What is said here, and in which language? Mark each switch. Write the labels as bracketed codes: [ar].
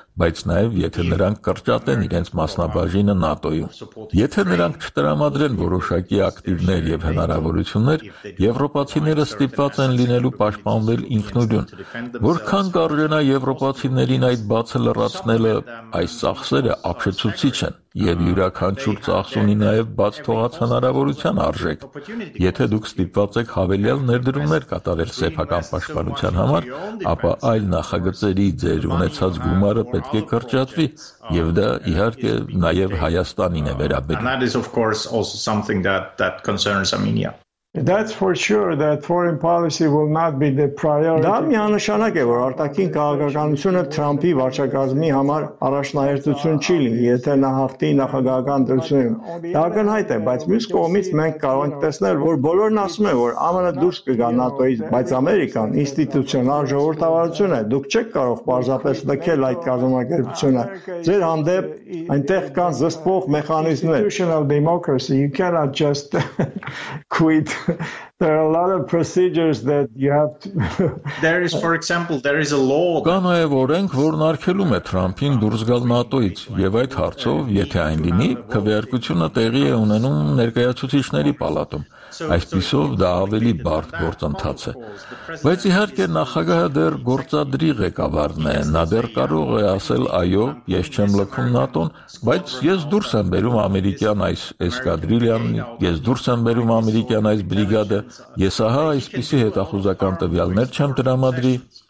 [hy] բայց նաև եթե նրանք կրճատեն իրենց մասնաբաժինը ՆԱՏՕ-ում։ Եթե նրանք չտրամադրեն որոշակի ակտիվներ եւ հնարավորություններ, եվրոպացիները ստիպված են լինելու պաշտպանվել ինքնուրույն։ Որքան կարժենա եվրոպացիներին այդ բացը լրացնելը, այս ծախսերը ապշեցուցիչ են, եւ յուրաքանչյուր ծախս ունի նաեւ բաց թողած հնարավորության արժեք։ Եթե դուք ստիպված եք հավելյալ ներդրումներ կատարել սեփական պաշտպանության համար, ապա այլ նախագծերի ձեր ունեցած գումարը պետք է կրճատվի, եւ դա իհարկե նաեւ Հայաստանին է վերաբերում։ [en] That's for sure that foreign policy will not be the priority. [hy] Դա միանշանակ է, որ արտաքին քաղաքականությունը Թրամփի վարչակազմի համար առաջնահերթություն չի լինի, եթե նա հաղթի նախագահական դրությունը։ Դա գնահատ է, բայց մյուս կողմից մենք կարող ենք տեսնել, որ բոլորն ասում են, որ ԱՄՆ-ը դուրս կգա ՆԱՏՕ-ից, բայց Ամերիկան ինստիտուցիոնալ ժողովրդավարություն է, դուք չեք կարող պարզապես նկել այդ կազմակերպությունը։ Ձեր հանդեպ այնտեղ կան զսպող մեխանիզմներ։ [en] Institutional democracy, you cannot just quit. There are a lot of procedures that you have to There is for example there is a law [hy] Կանոե որենք որն արգելում է Թրամփին դուրս գալ ՆԱՏՕ-ից եւ այդ հարցով եթե այն լինի քվեարկությունը տեղի է ունենում ներկայացուցիչների պալատում այսպիսով դա ավելի բարդ գործընթաց է բայց իհարկե նախագահը դեռ գործադրի ղեկավարն է նա դեռ կարող է ասել այո ես չեմ լքում ՆԱՏՕ-ն բայց ես դուրս եմ բերում ամերիկյան այս էսկադրիլիան ես դուրս եմ բերում ամերիկյան այս բրիգադը ես ահա այսպիսի հետախուզական տվյալներ չեմ տրամադրի